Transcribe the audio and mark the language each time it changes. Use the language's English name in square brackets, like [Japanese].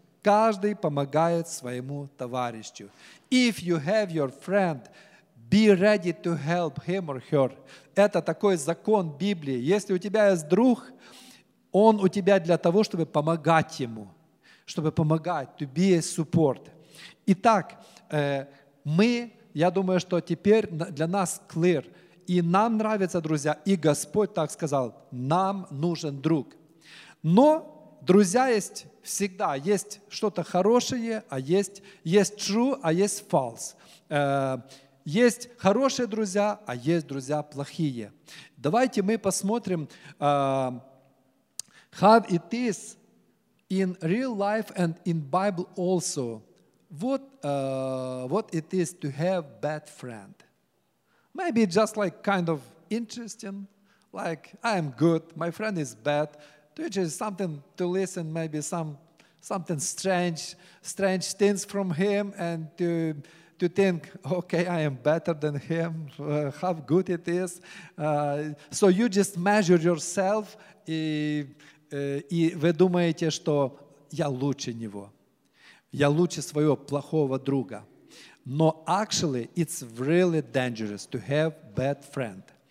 [Russian] Каждый помогает своему товарищу. [English] If you have your friend, be ready to help him or her. [Russian] Это такой закон Библии. Если у тебя есть друг, он у тебя для того, чтобы помогать ему. Чтобы помогать. [English] To be a support. [Russian] Итак, мы... Я думаю, что теперь для нас clear. И нам нравятся друзья, и Господь так сказал, нам нужен друг. Но друзья есть всегда. Есть что-то хорошее, а есть true, а есть false. Есть хорошие друзья, а есть друзья плохие. Давайте мы посмотрим, [English] how it is in real life and in Bible also, what it is to have bad friend. Maybe just like kind of interesting, like I am good, my friend is bad, which is something to listen, maybe something strange things from him, and to think, okay, I am better than him, how good it is. So you just measure yourself, [Russian] и вы думаете, что я лучше него, я лучше своего плохого друга. Но [English] actually, it's really dangerous to have bad friend.